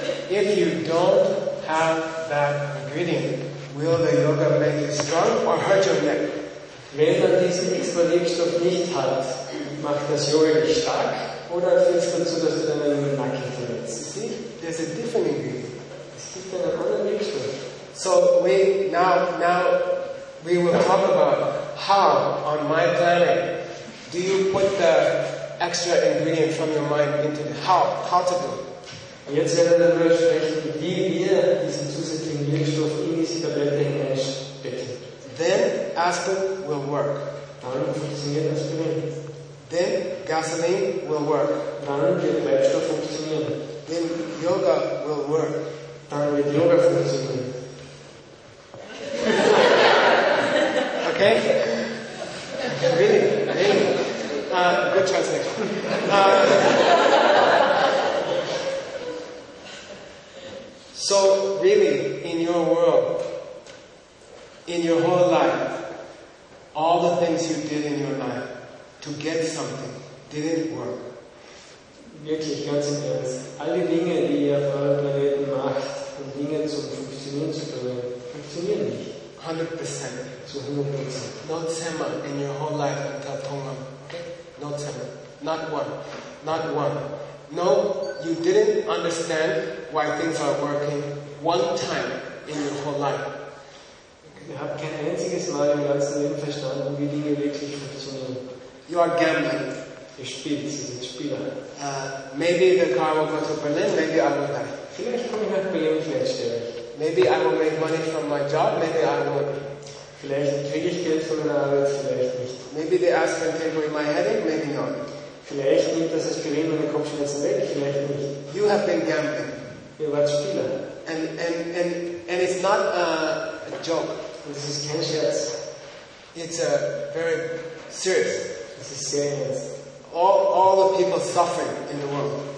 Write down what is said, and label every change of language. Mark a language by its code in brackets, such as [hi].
[en] If you don't have that ingredient, will the yoga make you strong or hurt your neck? [de] Wenn man diesen extra Wirkstoff nicht hat, macht das Yoga dich stark oder führt es dazu, dass du deinen Nacken verletzt? [en] There's a different ingredient. [de] Es gibt einen anderen Wirkstoff. [en] So we now we will talk about how on my planet do you put the extra ingredient from your mind into the how to do it. [de] Und jetzt werden wir darüber sprechen, wie wir diesen zusätzlichen Wirkstoff in diese Tablette hineinstecken. [en] Then aspirin will work. [de] Dann funktioniert Aspirin. [en] Then gasoline will work. [de] Dann wird Treibstoff funktionieren. [en] Then yoga will work. [de] Dann wird Yoga funktionieren. [en] Thank you. Really, really. Good translation. So, really, in your world, in your whole life, all the things you did in your life to get something didn't work. [de] Wirklich, ganz im Ernst. Alle Dinge, die ihr auf eurem Planeten macht, um Dinge zum Funktionieren zu bringen, funktionieren nicht. [en] 100%. [de] Zu 100%. [en] No tema in your whole life until Tongam. No tema. Not one. Not one. No, you didn't understand why things are working one time in your whole life. [de] Ihr habt kein einziges Mal im ganzen Leben verstanden, wie Dinge wirklich funktionieren. [en] You are gambling. [de] Ihr spielt, ihr seid Spieler. [en] Maybe the car will go to Berlin, maybe I will die. [de] Vielleicht komme ich nach Berlin, vielleicht sterbe ich. [en] Maybe I will make money from my job, maybe I will. [de] Vielleicht kriege ich Geld von meiner Arbeit, vielleicht nicht. [en] Maybe they ask me to take away my headache, maybe not. [de] Vielleicht nimmt das Gerät meine Kopfschmerzen weg, vielleicht nicht. [en] You have been gambling. [de] Ihr wart Spieler. [en] And it's not a joke. This is [de] kein Scherz. [en] It's a very serious. This is serious. All the people suffering in the world.